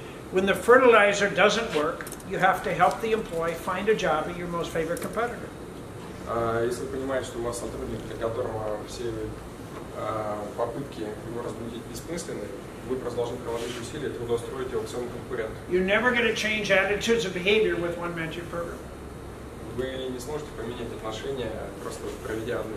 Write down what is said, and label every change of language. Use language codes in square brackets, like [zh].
[en] When the fertilizer doesn't work, you have to help the employee find a job at your most favorite competitor. [ru] Если вы понимаете, что у вас сотрудник, для которого все попытки его разбудить бессмысленны, вы просто должны приложить усилия, трудоустроить его к своему конкуренту. [en] You're never going to change attitudes and behavior with one mentoring program. [ru] Вы не сможете поменять отношения, просто проведя одну